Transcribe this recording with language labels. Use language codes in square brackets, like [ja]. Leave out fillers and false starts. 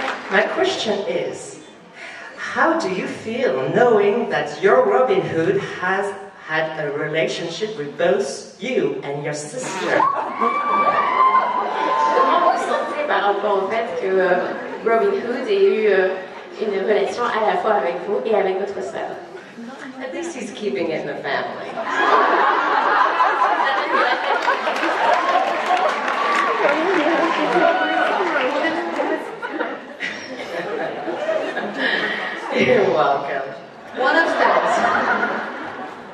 [en] My question is, how do you feel knowing that your Robin Hood has had a relationship with both you and your sister? [fr] Comment vous sentez par rapport au fait que Robin Hood ait eu une relation à la fois avec vous et avec votre sœur? [en] At least he's keeping it in the family. You're welcome. What is that?